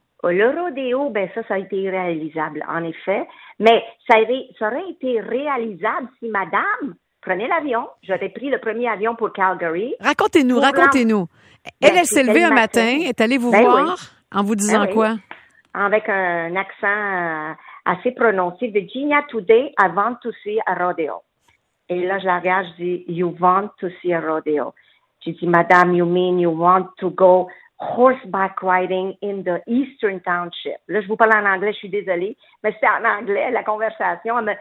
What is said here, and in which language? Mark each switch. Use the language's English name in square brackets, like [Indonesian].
[French] Le rodéo, ben ça a été irréalisable, en effet. Mais ça aurait été réalisable si madame prenait l'avion. J'aurais pris le premier avion pour Calgary. Racontez-nous. Elle s'est levée un matin, est allée vous voir en vous disant quoi? Avec un accent assez prononcé. [English] Virginia, today, I want to see a rodeo. [French] Et là, je la regarde, je dis, [English] you want to see a rodeo. [French] Je dis, madame, [English] you mean you want to go horseback riding in the Eastern Township. [French] Là, je vous parle en anglais, je suis désolée, mais c'est en anglais, la conversation.